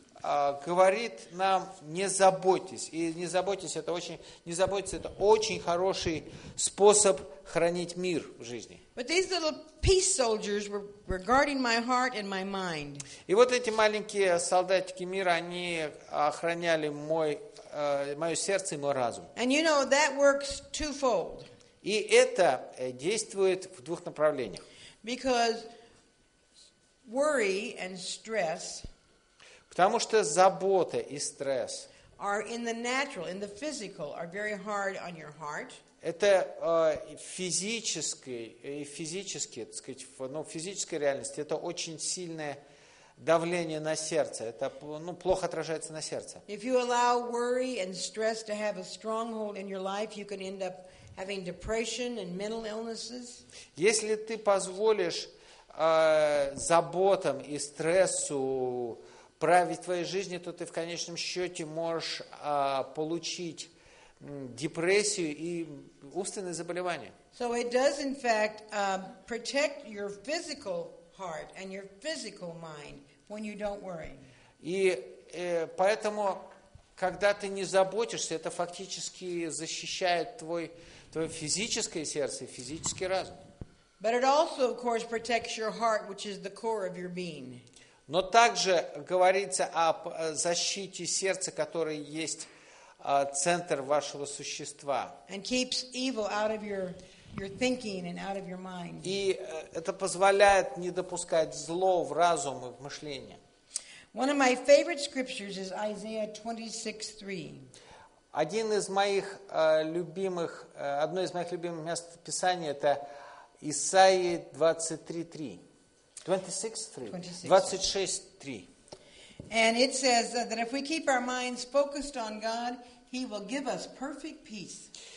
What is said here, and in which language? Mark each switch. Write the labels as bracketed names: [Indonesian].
[Russian] говорит нам не заботьтесь. И не заботьтесь, это очень, не заботьтесь, это очень хороший способ хранить мир в жизни. [English] But these little peace soldiers were guarding my heart and my mind. [Russian] И вот эти маленькие солдатики мира, они охраняли мое сердце и мой разум. [English] And you know, that works twofold. [Russian] И это действует в двух направлениях. [English] Because worry and stress, [Russian] потому что забота и стресс, [English] are in the natural, in the physical, are very hard on your heart. [Russian] Это физически, так сказать, физической реальности, это очень сильное давление на сердце. Это плохо отражается на сердце. [English] If you allow worry and stress to have a stronghold in your life, you can end up having depression and mental illnesses. [Russian] Если ты позволишь заботам и стрессу править твоей жизнью, то ты в конечном счете можешь получить депрессию и умственные заболевания. [English] So it does in fact protect your physical heart and your physical mind when you don't worry. [Russian] И поэтому, когда ты не заботишься, это фактически защищает твое физическое сердце и физический разум. [English] But it also, of course, protects your heart, which is the core of your being. [Russian] Но также говорится о защите сердца, которое есть центр вашего существа. [English] And keeps evil out of your thinking and out of your mind. [Russian] И это позволяет не допускать зло в разум и в мышление. [English] One of my favorite scriptures is Isaiah 26:3. [Russian] Одно из моих любимых мест Писания — это Исаия 26:3. [English] And it says that if we keep our minds focused on God, He will give us perfect peace.